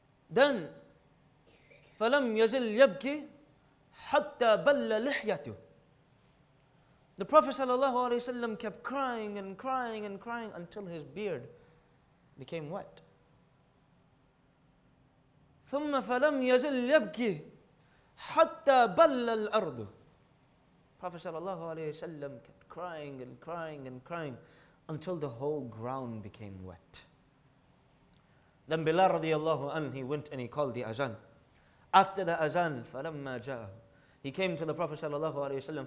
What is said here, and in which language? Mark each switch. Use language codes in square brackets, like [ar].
[en] Then, فَلَمْ يَزِلْ يَبْكِي حَتَّى بَلَّ لِحْيَتُهُ The Prophet sallallahu alaihi wasallam kept crying and crying and crying until his beard became wet. [ar] ثم فلم يزل يبكي حتى بل الأرض. [en] Prophet sallallahu alaihi wasallam kept crying and crying and crying until the whole ground became wet. Then Bilal radiallahu anhu, he went and he called the azan. After the azan, فلما جاء He came to the Prophet sallallahu alaihi wasallam.